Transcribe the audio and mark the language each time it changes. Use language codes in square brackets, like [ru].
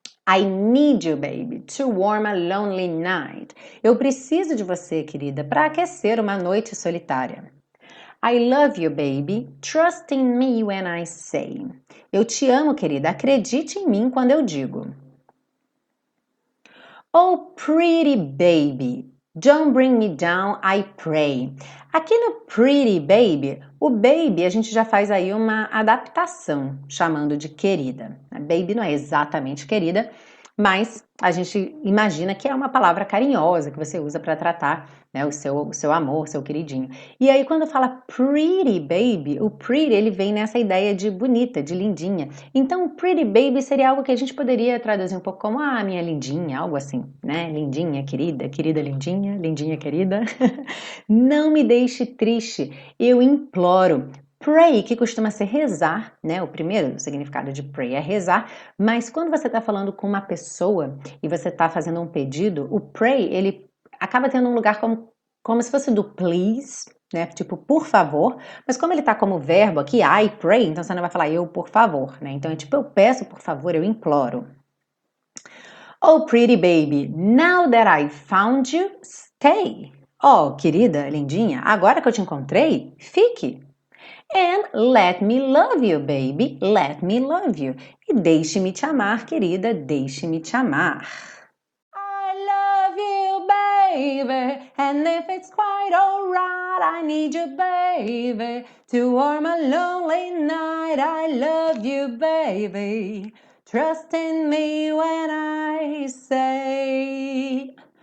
[en] I need you, baby, to warm a lonely night. [pt] Eu preciso de você, querida, para aquecer uma noite solitária. [en] I love you, baby, trust in me when I say. [pt] Eu te amo, querida, acredite em mim quando eu digo. [en] Oh, pretty baby, don't bring me down, I pray. [pt] Aqui no pretty baby, o baby a gente já faz aí uma adaptação, chamando de querida. Baby não é exatamente querida, mas a gente imagina que é uma palavra carinhosa que você usa para tratar, né, o seu amor, seu queridinho. E aí quando fala pretty baby, o pretty ele vem nessa ideia de bonita, de lindinha. Então pretty baby seria algo que a gente poderia traduzir um pouco como ah, minha lindinha, algo assim, né? Lindinha, querida, querida, lindinha, lindinha, querida. Não me deixe triste, eu imploro. Pray, que costuma ser rezar, né? O primeiro significado de pray é rezar, mas quando você está falando com uma pessoa e você está fazendo um pedido, o pray, ele acaba tendo um lugar como se fosse do please, né? Tipo, por favor, mas como ele está como verbo aqui, [en] I pray, [pt] então você não vai falar eu por favor, né? Então é tipo, eu peço por favor, eu imploro. [en] Oh, pretty baby, now that I found you, stay. [pt] Oh, querida, lindinha, agora que eu te encontrei, fique. [en] And let me love you, baby, let me love you. [pt] E deixe-me te amar, querida, deixe-me te amar. [en] I love you, baby, and if it's quite alright, I need you, baby, to warm a lonely night. I love you, baby, trust in me when I say.